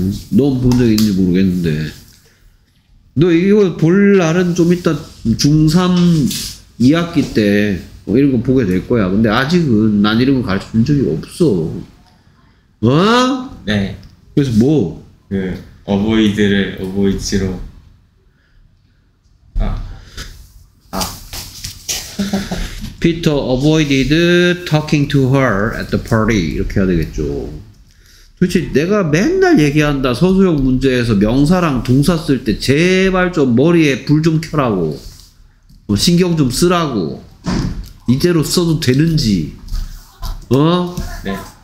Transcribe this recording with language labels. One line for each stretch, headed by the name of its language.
Korean: 넌 본 적 있는지 모르겠는데. 너 이거 볼 날은 좀 이따 중3 2학기 때 뭐 이런 거 보게 될 거야. 근데 아직은 난 이런 거 가르쳐 준 적이 없어. 어? 네. 그래서 뭐? 그 어보이드를 어보이지로. 아. 아.
English: Peter avoided talking to her at the party.
Korean: 이렇게 해야 되겠죠. 도대체 내가 맨날 얘기한다. 서술형 문제에서 명사랑 동사 쓸 때 제발 좀 머리에 불 좀 켜라고. 뭐 신경 좀 쓰라고. 이대로 써도 되는지. 어? 네.